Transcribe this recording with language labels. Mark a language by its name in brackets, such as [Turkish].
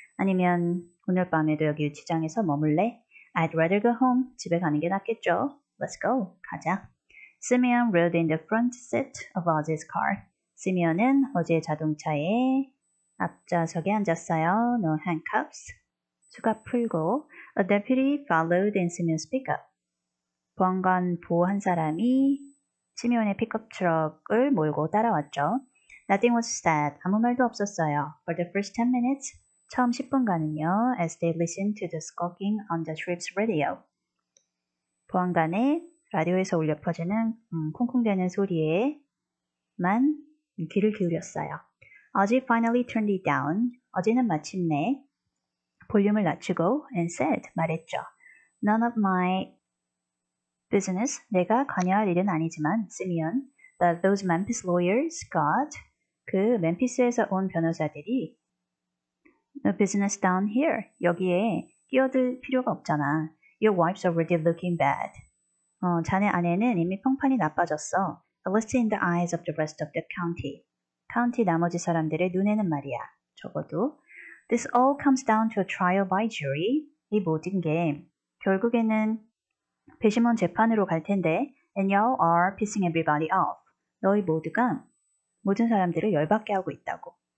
[Korean] 아니면 오늘 밤에도 여기 유치장에서 머물래? [English] I'd rather go home. [Korean] 집에 가는 게 낫겠죠? [English] Let's go. [Korean] 가자. [English] Simeon rode in the front seat of Ozzy's car. [Korean] 시미언은 어제 자동차에 앞좌석에 앉았어요. [English] No handcuffs. [Korean] 수갑 풀고, [English] a deputy followed in Simeon's pickup. [Korean] 보안관 보호 한 사람이 시미온의 픽업트럭을 몰고 따라왔죠. [English] Nothing was said. [Korean] 아무 말도 없었어요. [English] For the first 10 minutes, [Korean] 처음 10분간은요, [English] as they listened to the squawking on the trip's radio. [Korean] 보안관의 라디오에서 울려 퍼지는 쿵쿵대는 소리에만 귀를 기울였어요. [English] Ozzy finally turned it down. [Korean] 어제는 마침내 볼륨을 낮추고 [English] and said, [Korean] 말했죠. [English] None of my business, [Korean] 내가 관여할 일은 아니지만, [English] Simeon, but those Memphis lawyers got, [Korean] 그 멤피스에서 온 변호사들이, [English] no business down here, [Korean] 여기에 끼어들 필요가 없잖아. [English] Your wife's already looking bad. [Korean] 자네 아내는 이미 평판이 나빠졌어. [English] At least in the eyes of the rest of the county. [Korean] 카운티 나머지 사람들의 눈에는 말이야. 적어도, [English] this all comes down to a trial by jury. [Korean] 이 모든 게 결국에는 배심원 재판으로 갈 텐데, [English] and y'all are pissing everybody off. [Korean] 너희 모두가 모든 사람들을 열받게 하고 있다고.